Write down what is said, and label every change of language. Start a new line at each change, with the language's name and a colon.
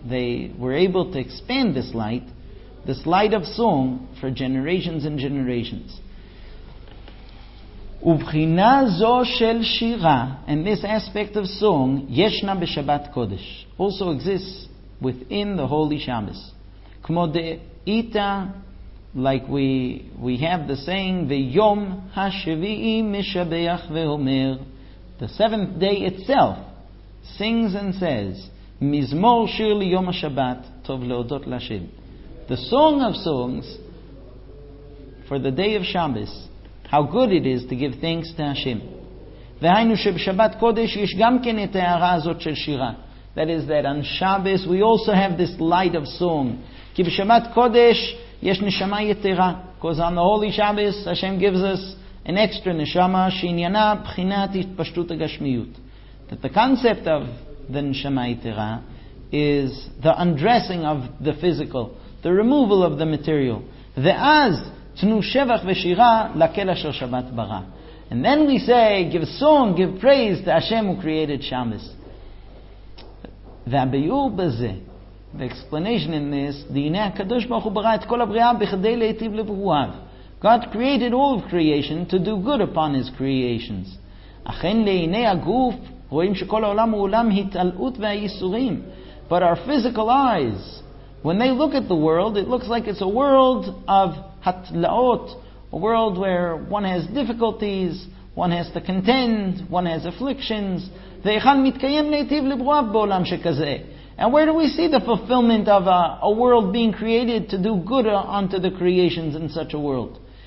English: They were able to expand this light. This light of song for generations and generations.
Hebrew: ובחינה זו של שירה,
English: and this aspect of song,
Hebrew: ישנה בשבת קודש,
English: also exists within the holy Shabbos.
Hebrew: כמו דאיתא,
English: like we have the saying,
Hebrew: ויום השביעי משבח ואומר,
English: the seventh day itself sings and says,
Hebrew: מזמור שיר ליום השבת, טוב להודות לשם.
English: The song of songs for the day of Shabbos, how good it is to give thanks to Hashem.
Hebrew: והיינו שבשבת קודש יש גם כן את ההערה הזאת של שירה.
English: That is that on Shabbos we also have this light of song.
Hebrew: כי בשבת קודש יש נשמה יתרה.
English: Because on the holy Shabbos Hashem gives us an extra neshama
Hebrew: שעניינה בחינת התפשטות הגשמיות.
English: That the concept of the neshama yetera is the undressing of the physical, the removal of the material.
Hebrew: ואז תנו שבח ושירה לכל אשר שבת ברא.
English: And then we say, give song, give praise to Hashem who created Shabbos.
Hebrew: והביאור בזה,
English: the explanation in this,
Hebrew: דהנה הקדוש ברוך הוא ברא את כל הבריאה בכדי להיטיב לברואיו.
English: God created all of creation to do good upon His creations.
Hebrew: אכן לעיני הגוף רואים שכל העולם הוא עולם התעלות והייסורים.
English: But our physical eyes, when they look at the world, it looks like it's a world of hatlaot, a world where one has difficulties, one has to contend, one has afflictions.
Hebrew: Ve'echan mitkayem leitiv lebruav bo'olam shekazeh.
English: And where do we see the fulfillment of a world being created to do good unto the creations in such a world?